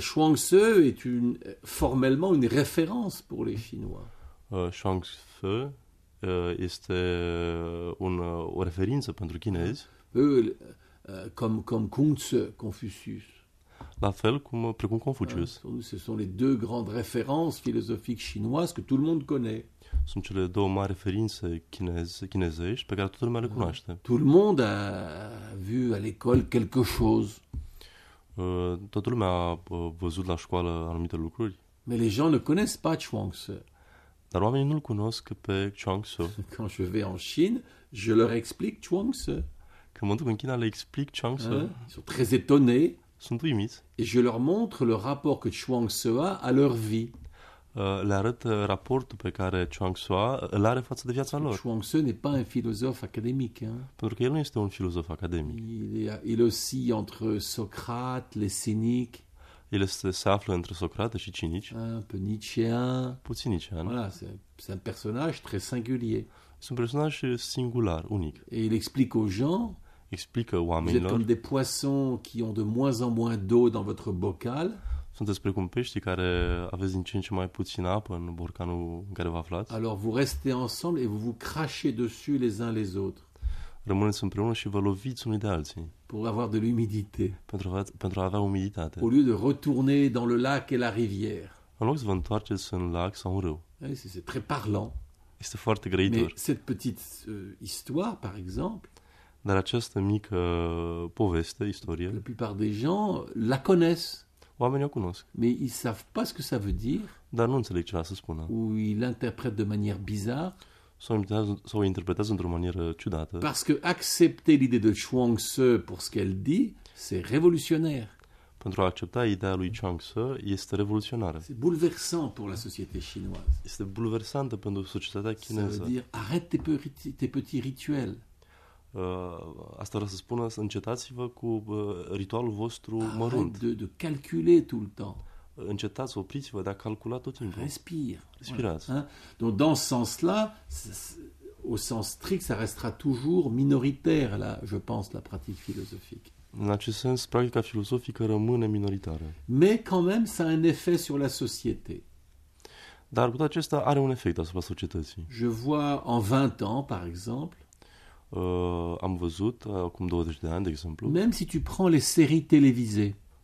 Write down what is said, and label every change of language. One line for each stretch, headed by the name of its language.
French: Chuang Tzu est une formellement une référence pour les Chinois.
Romanian: Chuang Tzu este o referință pentru chinezi.
French: Comme Kung Tzu, Confucius.
Romanian: La fel cum precum Confucius.
French: Ce sont les deux grandes références philosophiques chinoises que tout le monde connaît.
Romanian: Sunt cele două mari referințe chinezești pe care toată lumea le cunoaște.
French: Tout le monde a vu à l'école quelque chose.
Romanian: Toată lumea a văzut la școală anumite lucruri.
French: Mais les gens ne connaissent pas Chuang Tzu.
Romanian: Dar oamenii nu-l cunosc pe Chuang Tzu.
French: Quand je vais en Chine, je leur explique Chuang Tzu.
Romanian: Când mă duc în China, le explic Chuang Tzu.
French: Sont très étonnés.
Romanian: Sunt uimiți.
French: Et je leur montre le rapport que Chuang Tzu a à leur vie.
Romanian: Le arăt raportul pe care Chuang Tzu îl are față de viața lor.
French: Chuang Tzu n'est pas un philosophe académique.
Romanian: Pentru că el nu este un filozof academic.
French: Il oscille entre Socrate, les cyniques.
Romanian: Il se află între Socrate și cinici.
French: Un peu nietzschéen.
Romanian: Puțin nietzschéen.
French: Voilà, c'est un personnage très singulier. C'est un personnage singular, unique. Et il explique aux gens.
Romanian: Explică oamenilor.
French: Vous êtes comme des poissons qui ont de moins en moins d'eau dans votre bocal.
Romanian: Sunteți precum peștii care aveți din ce în ce mai puțin apă în borcanul în care vă aflați.
French: Alors vous restez ensemble et vous vous crachez dessus les uns les autres.
Romanian: Rămâneți împreună și vă loviți unii de alții.
French: Pour avoir de l'humidité.
Romanian: Pentru a avea umiditate.
French: Au lieu de retourner dans le lac et la rivière.
Romanian: În loc să vă întoarceți în lac sau în râu.
French: C'est très parlant.
Romanian: Este foarte grăitor.
French: Mais cette petite histoire, par exemple.
Romanian: Dar această mică poveste, istorie.
French: La plupart des gens la connaissent.
Romanian: Oamenii o cunosc.
French: Mais ils savent pas ce que ça veut dire.
Romanian: Dar nu înțeleg ce vrea să spună.
French: Ou ils l'interprètent de manière bizarre.
Romanian: Sau o interpretează într-o manieră ciudată.
French: Parce que accepter l'idée de Chuang Tzu pour ce qu'elle dit, c'est révolutionnaire.
Romanian: Pentru a accepta ideea lui Chuang Tzu, este revoluționară.
French: C'est bouleversant pour la société chinoise.
Romanian: Este bouleversantă pentru societatea chineză.
French: Ça veut dire arrête tes petits rituels.
Romanian: Asta vreau să spună, încetați-vă cu ritualul vostru mărunt.
French: De calculer tout le temps.
Romanian: Încetați, opriți-vă de a calcula tot timpul. Respirați. Voilà.
French: Donc dans ce sens-là, au sens strict, ça restera toujours minoritaire, là, je pense, la pratique philosophique.
Romanian: În acest sens, practica filozofică rămâne minoritară.
French: Mais quand même, ça a un effet sur la société.
Romanian: Dar cu toate acestea are un efect asupra societății.
French: Je vois en 20 ans, par exemple,
Romanian: Am văzut acum 20 de ani, de exemplu.
French: Même si tu prends les séries télévisées.